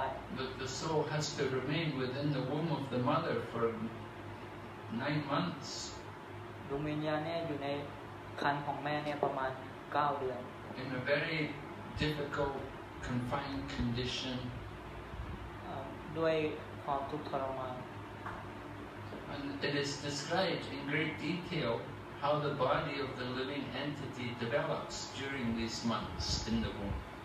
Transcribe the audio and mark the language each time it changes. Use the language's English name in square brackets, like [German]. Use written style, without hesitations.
[English] The soul has to remain within the womb of the mother for 9 months [Thai] ดวงวิญญาณเนี่ยอยู่ในครรภ์ของแม่เนี่ยประมาณ9 เดือน [English] In a very difficult confined condition [Thai] ด้วยความทุกข์ทรมาน [English] And it is described in great detail how the body of the living entity develops during these months in the womb.